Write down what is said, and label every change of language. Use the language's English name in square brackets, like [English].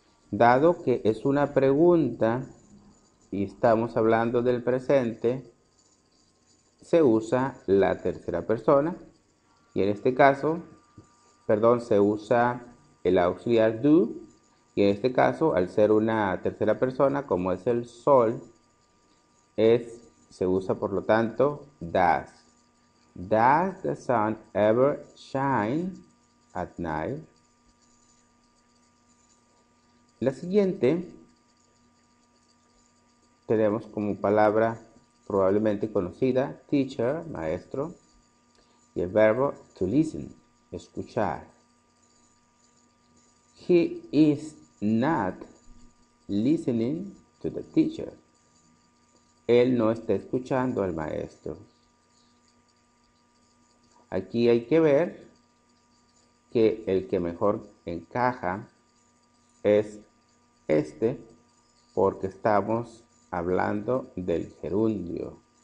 [Spanish] Dado que es una pregunta y estamos hablando del presente, se usa la tercera persona. Y en este caso, perdón, se usa el auxiliar do. Y en este caso, al ser una tercera persona, como es el sol, se usa por lo tanto does. [English] Does the sun ever shine at night? [Spanish] La siguiente tenemos como palabra probablemente conocida, teacher, maestro, y el verbo to listen, escuchar. [English] He is not listening to the teacher. [Spanish] Él no está escuchando al maestro. Aquí hay que ver que el que mejor encaja es este, porque estamos hablando del gerundio.